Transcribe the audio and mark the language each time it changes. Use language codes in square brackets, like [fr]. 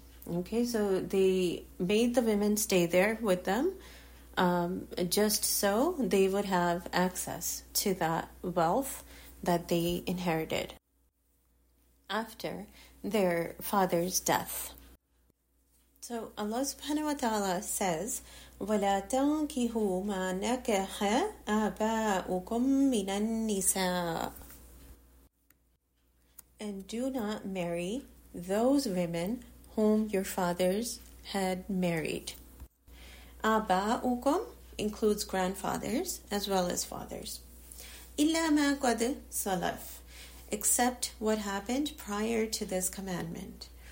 [en] Okay, so they made the women stay there with them just so they would have access to that wealth that they inherited after their father's death. [ar] So Allah subhanahu wa ta'ala says, وَلَا تَنْكِهُ مَا نَكَحَ آبَاؤُكُمْ مِنَ النِّسَاءِ. [en] And do not marry those women whom your fathers had married. آبَاؤُكُمْ includes grandfathers as well as fathers. [ar] إِلَّا مَا قَدْ سَلَفْ, [en] except what happened prior to this commandment.